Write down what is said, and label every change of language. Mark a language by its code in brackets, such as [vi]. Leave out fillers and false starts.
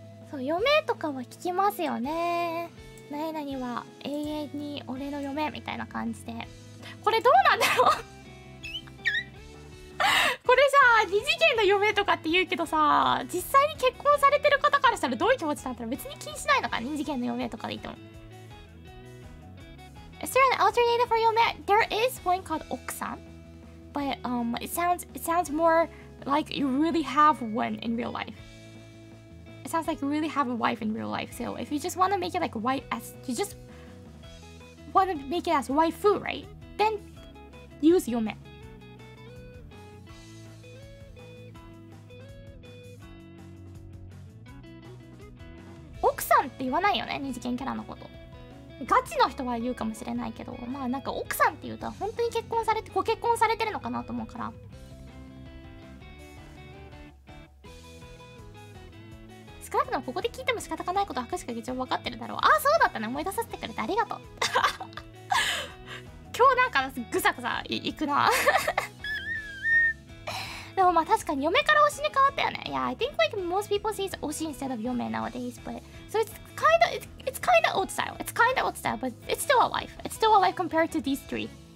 [ja] So, 嫁とかは聞きますよね。何々は永遠に俺の嫁みたいな感じで。これどうなんだろうこれさ、二次元の嫁とかって言うけどさ、実際に結婚されてる方からしたらどういう気持ちなんだろう。別に気にしないのか、二次元の嫁とかで言っても。 [en] Is there an alternative for 嫁? There is one called 奥さん But it sounds more like you really have one in real life. It sounds like you really have a wife in real life. So if you just want to make it like wife as You just want to make it as waifu, rightThen use 嫁. [ja] Oku san って言わないよね、二次元キャラのこと。ガチの人は言うかもしれないけど、まあなんか奥さんって言うと本当に結婚されて、ご結婚されてるのかなと思うから。少なくともここで聞いても仕方がないこと、博士が一応分かってるだろう。ああ、そうだったね、思い出させてくれてありがとう。今日なんかぐさぐさ行くなでもまあ確かに嫁から推しに変わったよね。 [en] Yeah, I think like most people say it's 推し instead of 嫁 nowadays, but So it's kind of old style. It's kind of old style, but it's still a wife. It's still a wife compared to these three.